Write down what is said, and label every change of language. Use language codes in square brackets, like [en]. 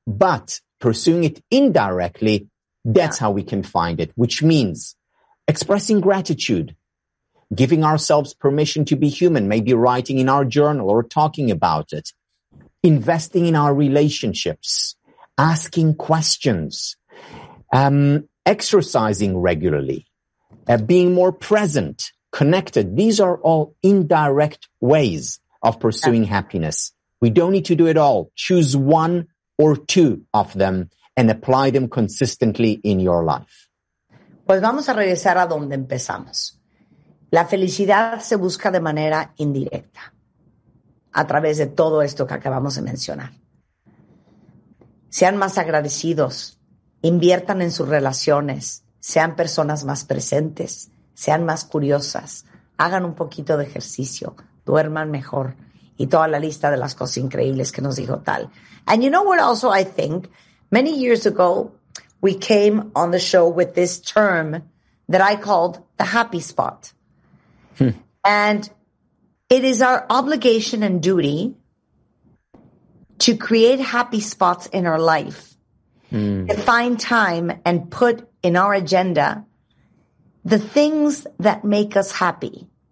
[en] But pursuing it indirectly, that's how we can find it, which means expressing gratitude, giving ourselves permission to be human, maybe writing in our journal or talking about it, investing in our relationships, asking questions, exercising regularly, being more present, connected. These are all indirect ways of pursuing happiness. We don't need to do it all. Choose one or two of them and apply them consistently in your life. [es] Pues vamos a regresar a donde empezamos. La felicidad se busca de manera indirecta a través de todo esto que acabamos de mencionar. Sean más agradecidos, inviertan en sus relaciones, sean personas más presentes, sean más curiosas, hagan un poquito de ejercicio, duerman mejor y toda la lista de las cosas increíbles que nos dijo Tal. [en] And you know what also I think? Many years ago, we came on the show with this term that I called the happy spot. And it is our obligation and duty to create happy spots in our life, to find time and put in our agenda the things that make us happy.